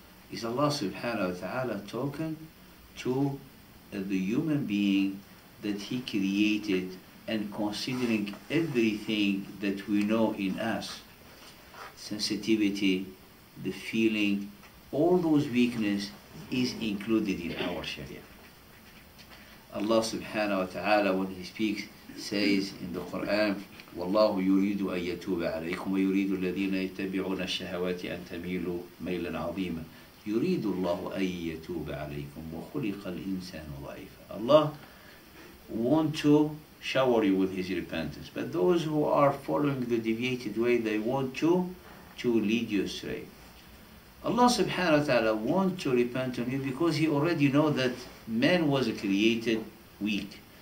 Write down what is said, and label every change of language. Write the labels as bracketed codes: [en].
[en] Is Allah subhanahu wa ta'ala talking to the human being that he created and considering everything that we know in us, sensitivity, the feeling, all those weakness is included in our Sharia. Allah subhanahu wa ta'ala, when he speaks, says in the Quran, [ar] وَاللَّهُ يُرِيدُ أَن يَتُوبَ عَلَيْكُمْ وَيُرِيدُ الَّذِينَ يَتَّبِعُونَ الشَّهَوَاتِ أَن تَمِيلُوا مَيْلًا عَظِيمًا يُرِيدُ اللَّهُ أَن يَتُوبَ عَلَيْكُمْ وَخُلِقَ الْإِنسَانُ ضَعِيفًا. [en] Allah want to shower you with his repentance, but those who are following the deviated way, they want to lead you astray. Allah subhanahu wa ta'ala want to repent on you because he already know that man was created weak.